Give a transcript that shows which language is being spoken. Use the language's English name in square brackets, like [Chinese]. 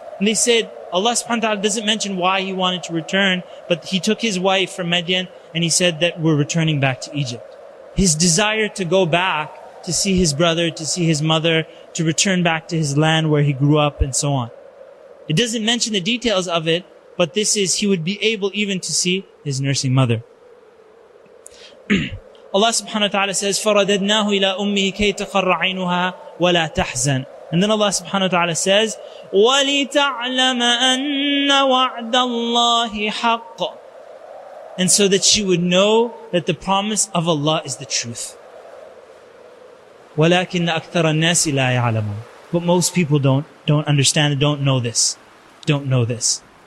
[English] And they said, Allah subhanahu wa ta'ala doesn't mention why he wanted to return, but he took his wife from Madian and he said that we're returning back to Egypt. His desire to go back to see his brother, to see his mother, to return back to his land where he grew up and so on. It doesn't mention the details of it, but this is, he would be able even to see his nursing mother. Allah subhanahu wa ta'ala says, [Arabic] فَرَدَدْنَاهُ إِلَىٰ أُمِّهِ كَيْ تَقَرَّ عَيْنُهَا وَلَا تَحْزَنُ. [English] And then Allah subhanahu wa ta'ala says, [Arabic] وَلِتَعْلَمَ أَنَّ وَعْدَ اللَّهِ حَقٌّ. [English] and so that she would know that the promise of Allah is the truth. [Arabic] وَلَكِنَّ أَكْثَرَ النَّاسِ لَا يَعْلَمُونَ. [English] But most people don't understand, don't know this. Don't know this.